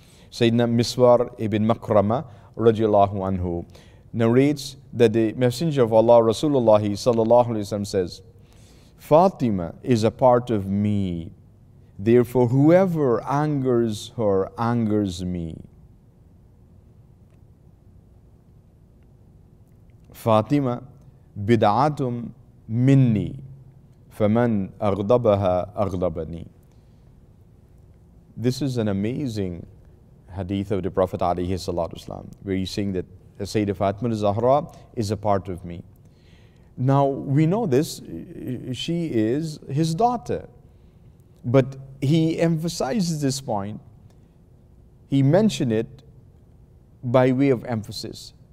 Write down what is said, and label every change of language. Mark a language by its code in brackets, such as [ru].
[en] Sayyidina Miswar ibn Makrama radiallahu anhu narrates that the Messenger of Allah Rasulullah sallallahu alaihi wasallam says, Fatima is a part of me, therefore whoever angers her angers me. [ar] فاطمة بدعات مني فمن أغضبها أغضبني. [en] This is an amazing hadith of the Prophet alayhi salatu wasalam, where he's saying that Sayyidah Fatima al-Zahra is a part of me. Now, we know this, she is his daughter. But he emphasizes this point. He mentioned it by way of emphasis.